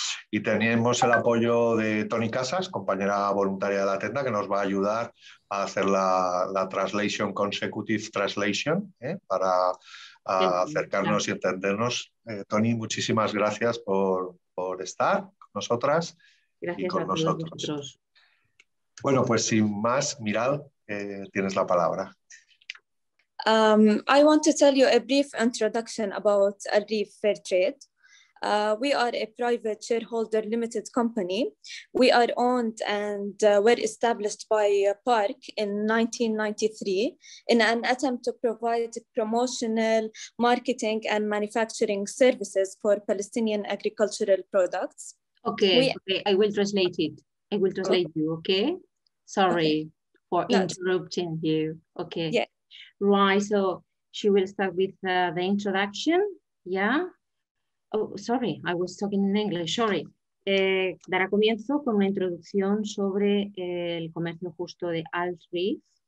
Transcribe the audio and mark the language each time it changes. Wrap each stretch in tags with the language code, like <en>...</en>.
<es>Y tenemos el apoyo de Toni Casas, compañera voluntaria de la tienda, que nos va a ayudar a hacer la</es> <en>translation, consecutive translation,</en> <es>para acercarnos y entendernos. Toni, muchísimas gracias por estar con nosotras. Gracias y con nosotros. Vosotros. Bueno, pues sin más, Miral, tienes la palabra.</es> <en>I want to tell you a brief introduction about Al-Rif Fair Trade. We are a private shareholder limited company. We are owned and were established by Park in 1993 in an attempt to provide promotional marketing and manufacturing services for Palestinian agricultural products. Okay, I will translate it. I will translate you, okay? Sorry for interrupting you. Okay. Yeah. Right, so she will start with the introduction, yeah? Oh, sorry, I was talking in English, sorry.</en> <es>Dará comienzo con una introducción sobre el comercio justo de Al-Rif.</es>